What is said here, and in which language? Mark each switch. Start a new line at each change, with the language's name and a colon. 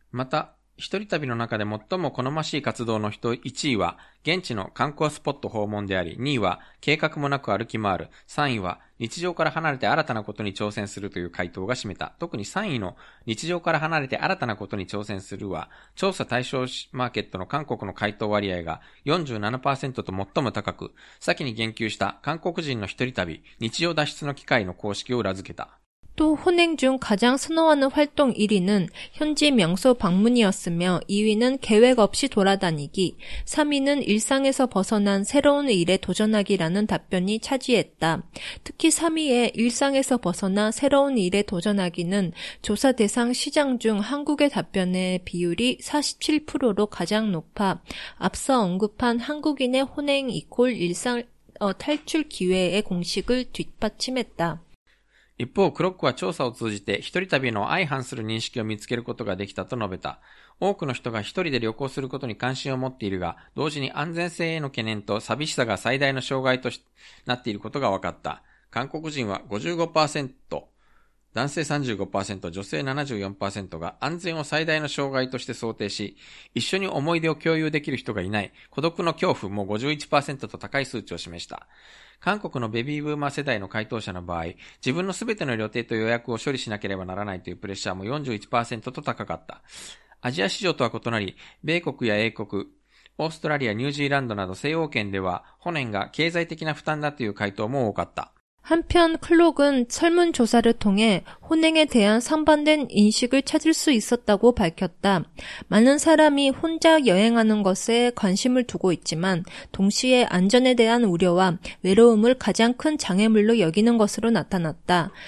Japanese: また一人旅の中で最も好ましい活動の人1位は現地の観光スポット訪問であり2位は計画もなく歩き回る3位は日常から離れて新たなことに挑戦するという回答が占めた特に3位の日常から離れて新たなことに挑戦するは調査対象マーケットの韓国の回答割合が 47% と最も高く先に言及した韓国人の一人旅日常脱出の機会の公式を裏付けた
Korean: 또 혼행 중 가장 선호하는 활동 1위는 현지 명소 방문이었으며 2위는 계획 없이 돌아다니기, 3위는 일상에서 벗어난 새로운 일에 도전하기라는 답변이 차지했다. 특히 3위의 일상에서 벗어나 새로운 일에 도전하기는 조사 대상 시장 중 한국의 답변의 비율이 47%로 가장 높아 앞서 언급한 한국인의 혼행 이콜 일상 탈출 기회의 공식을 뒷받침했다.
Japanese: 一方、クロックは調査を通じて、一人旅の相反する認識を見つけることができたと述べた。多くの人が一人で旅行することに関心を持っているが、同時に安全性への懸念と寂しさが最大の障害となっていることが分かった。韓国人は 55%、男性 35%、女性 74% が安全を最大の障害として想定し、一緒に思い出を共有できる人がいない、孤独の恐怖も 51% と高い数値を示した。韓国のベビーブーマー世代の回答者の場合、自分のすべての予定と予約を処理しなければならないというプレッシャーも 41% と高かった。アジア市場とは異なり、米国や英国、オーストラリア、ニュージーランドなど西欧圏では、本年が経済的な負担だという回答も多かった。
Korean: 한편클록은설문조사를통해혼행에대한상반된인식을찾을수있었다고밝혔다. 많은 사람이 혼자 여행하는 것에 관심을 두고 있지만 동시에 안전에 대한 우려와 외로움을 가장 큰 장애물로 여기는 것으로 나타났다.